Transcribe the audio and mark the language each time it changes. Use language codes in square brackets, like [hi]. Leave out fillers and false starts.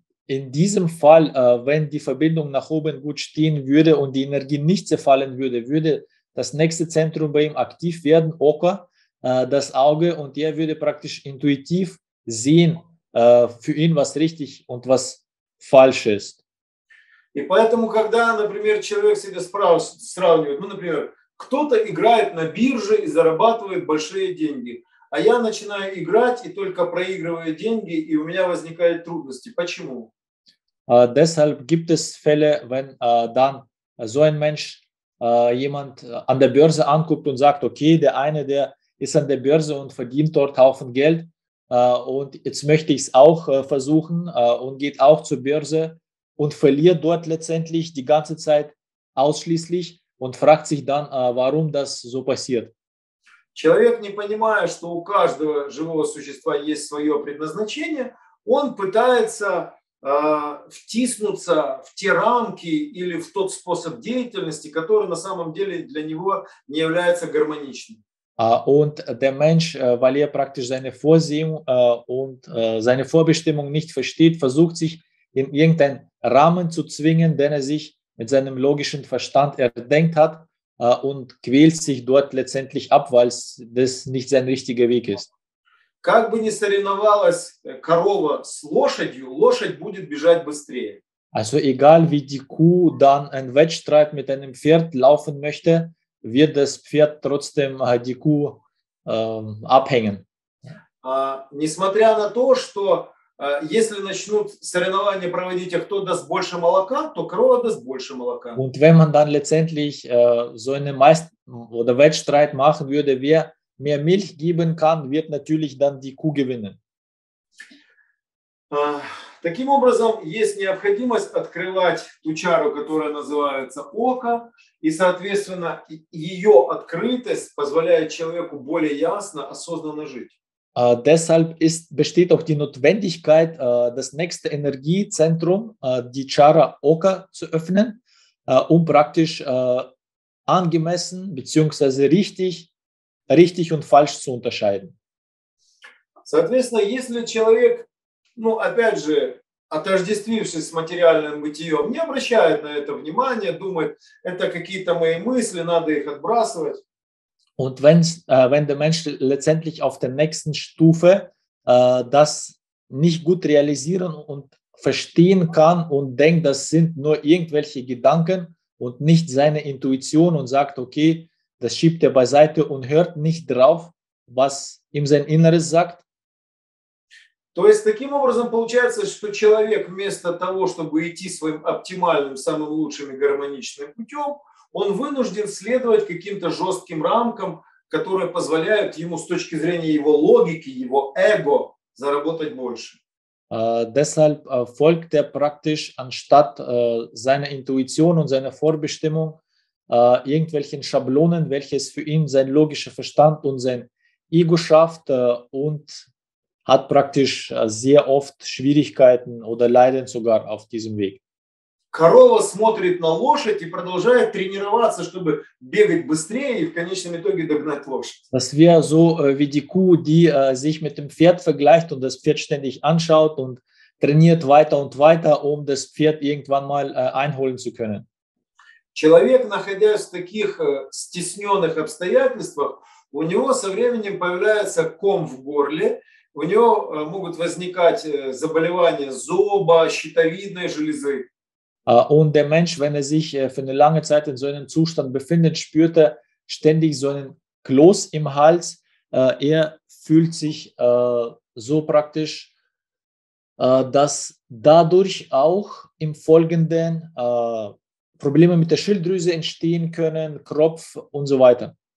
[de] In diesem Fall, wenn die Verbindung nach oben gut stehen würde und die Energie nicht zerfallen würde, würde das nächste Zentrum bei ihm aktiv werden, Oka, das Auge, und er würde praktisch intuitiv sehen, für ihn, was richtig und was falsch ist. [ru] И поэтому, когда, например, человек себя сравнивает, ну, например, кто-то играет на бирже и зарабатывает большие деньги, а я начинаю играть и только проигрываю деньги, и у меня возникают трудности. Почему? [de] Deshalb gibt es Fälle, wenn dann so ein Mensch jemand an der Börse anguckt und sagt, okay, der eine, der ist an der Börse und verdient dort Haufen Geld, und jetzt möchte ich es auch versuchen, und geht auch zur Börse und verliert dort letztendlich die ganze Zeit ausschließlich und fragt sich dann, warum das so passiert. [ru] Человек, не понимая, что у каждого живого существа есть свое предназначение, он пытается втиснуться в те рамки или в тот способ деятельности, который на самом деле для него не является гармоничным. [de] Und der Mensch, weil er praktisch seine Vorsehung und seine Vorbestimmung nicht versteht, versucht sich in irgendein Rahmen zu zwingen, den er sich mit seinem logischen Verstand erdenkt hat, und quält sich dort letztendlich ab, weil das nicht sein richtiger Weg ist. [ru] Как бы ни соревновалась корова с лошадью, лошадь будет бежать быстрее. [de] Also egal, wie die Kuh dann einen Wettstreit mit einem Pferd laufen möchte, wird das Pferd trotzdem die Kuh abhängen. [ru] Несмотря на то, что если начнут соревнования проводить, а кто даст больше молока, то корова даст больше молока. [de] Und wenn man dann letztendlich so einen Wettstreit machen würde, wer mehr Milch geben kann, wird natürlich dann die Kuh gewinnen. [ru] Таким образом, есть необходимость открывать ту чару, которая называется око, и, соответственно, ее открытость позволяет человеку более ясно, осознанно жить. [de] Deshalb besteht auch die Notwendigkeit, das nächste Energiezentrum, die Chara Oka, zu öffnen, um praktisch angemessen bzw. richtig und falsch zu unterscheiden. [ru] Соответственно, если человек, ну, опять же, отождествившись с материальным бытием, не обращает на это внимания, думает, это какие-то мои мысли, надо их отбрасывать. [de] Und wenn der Mensch letztendlich auf der nächsten Stufe das nicht gut realisieren und verstehen kann und denkt, das sind nur irgendwelche Gedanken und nicht seine Intuition, und sagt, okay, das schiebt er beiseite und hört nicht drauf, was ihm sein Inneres sagt. [ru] То есть таким образом получается, что человек вместо того, чтобы идти своим оптимальным, самым лучшим и гармоничным путем, он вынужден следовать каким-то жестким рамкам, которые позволяют ему с точки зрения его логики, его эго, заработать больше. [de] Deshalb folgt er praktisch anstatt seiner Intuition und seiner Vorbestimmung irgendwelchen Schablonen, welches für ihn sein logischer Verstand und sein Ego schafft, und hat praktisch sehr oft Schwierigkeiten oder leidet sogar auf diesem Weg. [ru] Корова смотрит на лошадь и продолжает тренироваться, чтобы бегать быстрее и в конечном итоге догнать лошадь. [de] Das wäre so wie die Kuh, die sich mit dem Pferd vergleicht und das Pferd ständig anschaut und trainiert weiter und weiter, um das Pferd irgendwann mal einholen zu können. [ru] Человек, находясь в таких стесненных обстоятельствах, у него со временем появляется ком в горле, у него могут возникать заболевания зоба, щитовидной железы. [de] Und der Mensch, wenn er sich für eine lange Zeit in so einem Zustand befindet, spürte ständig so einen Kloß im Hals. Er fühlt sich so praktisch, dass dadurch auch im Folgenden Probleme mit der Schilddrüse entstehen können, Kropf und so weiter.